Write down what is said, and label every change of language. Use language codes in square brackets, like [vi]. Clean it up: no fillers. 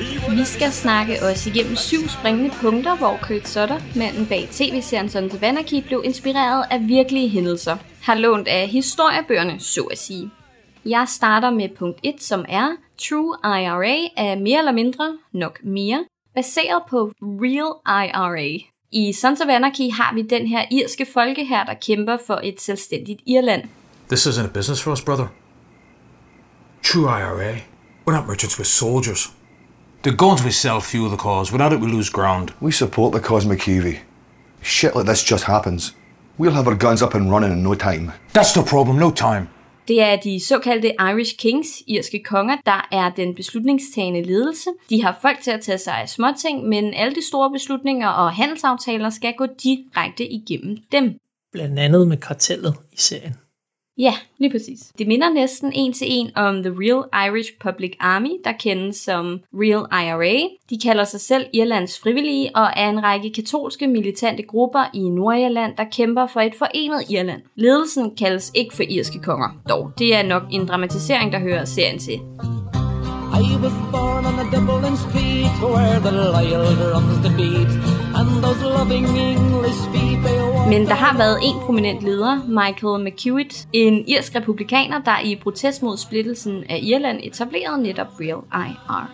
[da] vi skal snakke os igennem 7 springende punkter, hvor Kurt Sutter, manden bag tv-serien Sons of Anarchy, blev inspireret af virkelige hændelser, har lånt af historiebøgerne, så at sige. Jeg starter med punkt 1, som er True IRA er mere eller mindre, nok mere, baseret på Real IRA. I Sons of Anarchy har vi den her irske folkehær, der kæmper for et selvstændigt Irland. [en] This isn't a business for us, brother. True IRA. We're not merchants, we're soldiers. They're going to sell fuel the cause. Without it, we lose ground. We support the cause, McKeevy. Shit like this just happens. We'll have our guns up and running in no time. That's the problem, no time. [da] Det er de såkaldte Irish Kings, irske konger, der er den beslutningstagende ledelse. De har folk til at tage sig af småting, men alle de store beslutninger og handelsaftaler skal gå direkte igennem dem. Blandt andet med kartellet i serien. Ja, lige præcis. Det minder næsten en til en om The Real Irish Public Army, der kendes som Real IRA. De kalder sig selv Irlands frivillige og er en række katolske militante grupper i Nordirland, der kæmper for et forenet Irland. Ledelsen kaldes ikke for irske konger, dog. Det er nok en dramatisering, der hører serien til. [en] I was born on the Dublin street, where the loyal drums the beat, and those loving English feet they walk. [da] Men der har været en prominent leder, Michael McEwitt, en irsk republikaner, der i protest mod splittelsen af Irland etablerede netop Real IRA.